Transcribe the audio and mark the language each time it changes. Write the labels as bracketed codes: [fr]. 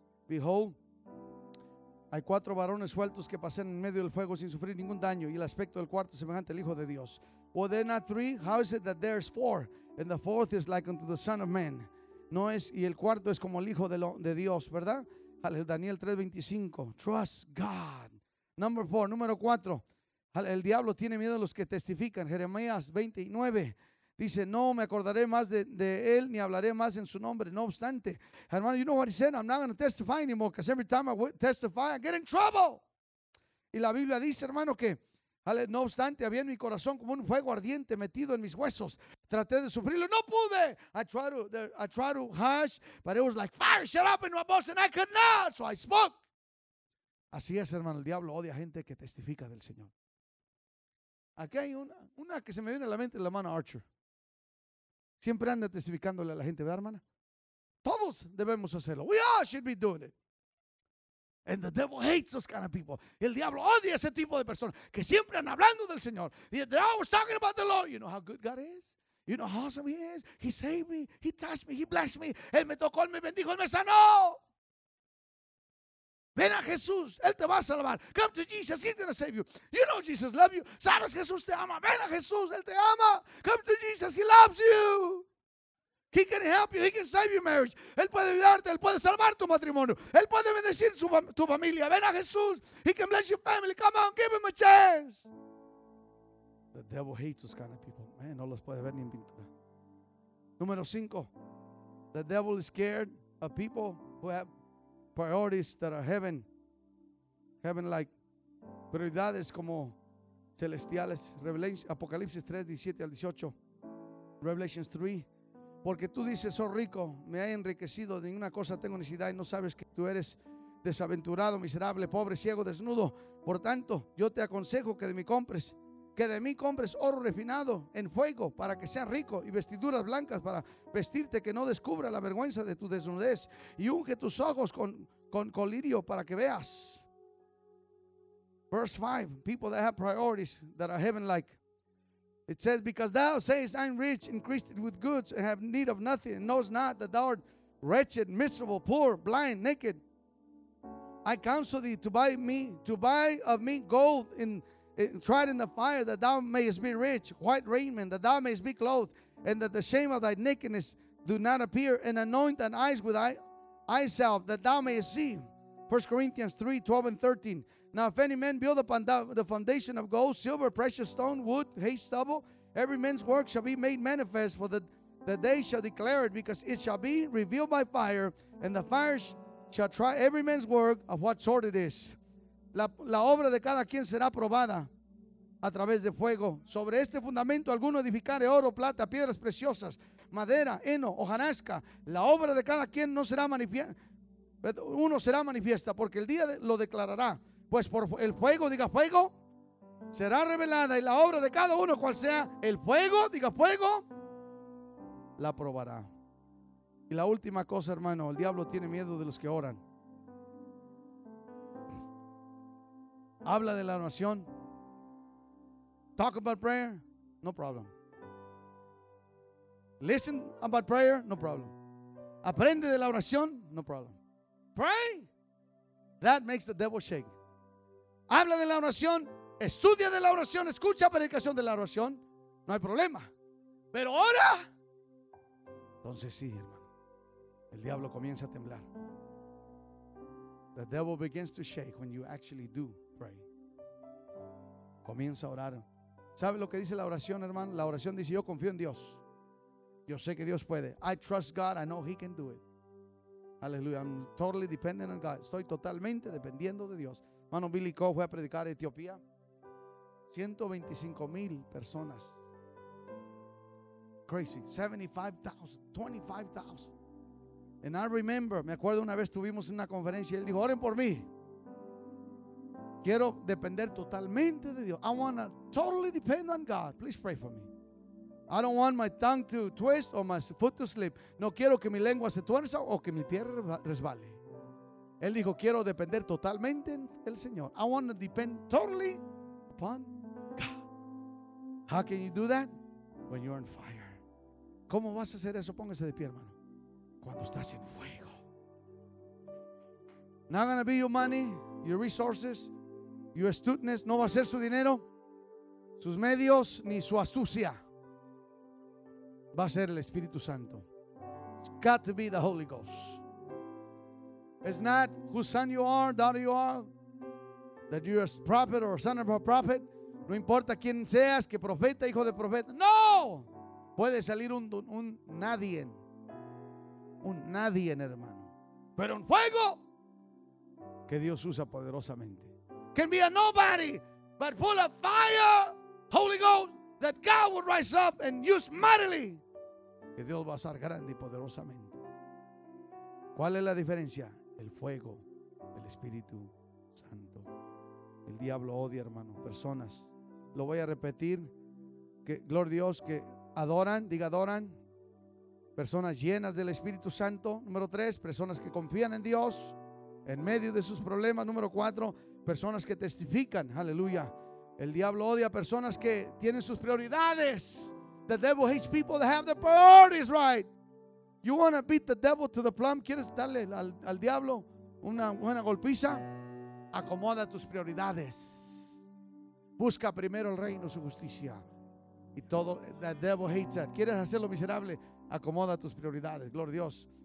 [en] Behold, [es] hay cuatro varones sueltos que pasan en medio del fuego sin sufrir ningún daño, y el aspecto del cuarto semejante al Hijo de Dios. [en] Well, they're not three. How is it that there's four? And the fourth is like unto the Son of Man. [es] No es, y el cuarto es como el Hijo de Dios, ¿verdad? [en] Daniel 3:25. Trust God. Number four. [es] Número cuatro. El diablo tiene miedo a los que testifican. Jeremías 29. Dice, no me acordaré más de él, ni hablaré más en su nombre. No obstante. Hermano, [en] you know what he said? I'm not going to testify anymore, because every time I testify, I get in trouble. [es] Y la Biblia dice, hermano, que no obstante, había en mi corazón como un fuego ardiente metido en mis huesos. Traté de sufrirlo, no pude. [en] I tried to hush, but it was like fire shut up in my bones and I could not, so I spoke. [es] Así es, hermano, el diablo odia a gente que testifica del Señor. Aquí hay una que se me viene a la mente, la hermana Archer. Siempre anda testificándole a la gente, ¿verdad, hermana? Todos debemos hacerlo. [en] We all should be doing it. And the devil hates those kind of people. [es] El diablo odia ese tipo de personas que siempre andan hablando del Señor. [en] They're always talking about the Lord. You know how good God is? You know how awesome he is? He saved me. He touched me. He blessed me. [es] Él me tocó, él me bendijo, él me sanó. Ven a Jesús. Él te va a salvar. [en] Come to Jesus. He's going to save you. You know Jesus loves you. [es] Sabes, Jesús te ama. Ven a Jesús. Él te ama. [en] Come to Jesus. He loves you. He can help you. He can save your marriage. [es] Él puede ayudarte. Él puede salvar tu matrimonio. Él puede bendecir tu familia. Ven a Jesús. [en] He can bless your family. Come on, give him a chance. The devil hates those kind of people. [es] Man, no los puede ver ni en pintura. Número cinco. [en] The devil is scared of people who have priorities that are heaven. Heaven-like. [es] Prioridades como celestiales. Apocalipsis 3, 17 al 18. [en] Revelations 3. [es] Porque tú dices, soy rico, me he enriquecido, de ninguna cosa tengo necesidad, y no sabes que tú eres desaventurado, miserable, pobre, ciego, desnudo. Por tanto, yo te aconsejo que de mí compres oro refinado en fuego para que seas rico, y vestiduras blancas para vestirte, que no descubra la vergüenza de tu desnudez, y unge tus ojos con colirio para que veas. [en] Verse 5, people that have priorities that are heaven-like. It says, because thou sayest, I'm rich, increased with goods, and have need of nothing, and knowest not that thou art wretched, miserable, poor, blind, naked. I counsel thee to buy of me gold tried in the fire, that thou mayest be rich, white raiment, that thou mayest be clothed, and that the shame of thy nakedness do not appear, and anoint thine eyes with eye salve, that thou mayest see. 1 Corinthians 3:12-13. Now if any man build upon the foundation of gold, silver, precious stone, wood, hay, stubble, every man's work shall be made manifest, for the day shall declare it, because it shall be revealed by fire, and the fire shall try every man's work of what sort it is. [es] La obra de cada quien será probada a través de fuego. Sobre este fundamento alguno edificare oro, plata, piedras preciosas, madera, heno, hojarasca. La obra de cada quien no será manifiesta. Uno será manifiesta porque el día lo declarará. Pues por el fuego, diga fuego, será revelada. Y la obra de cada uno, cual sea el fuego, diga fuego, la probará. Y la última cosa, hermano, el diablo tiene miedo de los que oran. Habla de la oración. [en] Talk about prayer, no problem. Listen about prayer, no problem. [es] Aprende de la oración, [en] no problem. Pray, that makes the devil shake. [es] Habla de la oración, estudia de la oración, escucha predicación de la oración, no hay problema. Pero ora, entonces sí, hermano, el diablo comienza a temblar. [en] The devil begins to shake when you actually do pray. [es] Comienza a orar. ¿Sabe lo que dice la oración, hermano? La oración dice, yo confío en Dios. Yo sé que Dios puede. [en] I trust God, I know he can do it. Aleluya, I'm totally dependent on God. [es] Estoy totalmente dependiendo de Dios. Hermano Billy Coe fue a predicar a Etiopía. 125 mil personas. [en] Crazy. [es] 25,000. [en] And I remember, [es] me acuerdo una vez tuvimos una conferencia y él dijo, oren por mí. Quiero depender totalmente de Dios. [en] I want to totally depend on God. Please pray for me. I don't want my tongue to twist or my foot to slip. [es] No quiero que mi lengua se tuerza o que mi pie resbale. Él dijo, quiero depender totalmente del Señor. [en] I want to depend totally upon God. How can you do that? When you're on fire. [es] ¿Cómo vas a hacer eso? Póngase de pie, hermano. Cuando estás en fuego. [en] Not going to be your money, your resources, your astuteness. [es] No va a ser su dinero, sus medios, ni su astucia. Va a ser el Espíritu Santo. [en] It's got to be the Holy Ghost. It's not whose son you are, daughter you are, that you're a prophet or a son of a prophet. [es] No importa quién seas, que profeta, hijo de profeta. No! Puede salir un nadie. Un nadie, hermano. Pero un fuego que Dios usa poderosamente. [en] Can be a nobody, but full of fire, Holy Ghost, that God will rise up and use mightily. [es] Que Dios va a usar grande y poderosamente. ¿Cuál es la diferencia? El fuego del Espíritu Santo. El diablo odia, hermano, personas. Lo voy a repetir. Que gloria a Dios, que adoran, diga adoran. Personas llenas del Espíritu Santo. Número tres, personas que confían en Dios en medio de sus problemas. Número cuatro, personas que testifican. Aleluya. El diablo odia personas que tienen sus prioridades. [en] The devil hates people that have their priorities right. You want to beat the devil to the plumb? [es] ¿Quieres darle al diablo una buena golpiza? Acomoda tus prioridades. Busca primero el reino, su justicia. Y todo, [en] the devil hates that. [es] ¿Quieres hacerlo miserable? Acomoda tus prioridades. Gloria a Dios.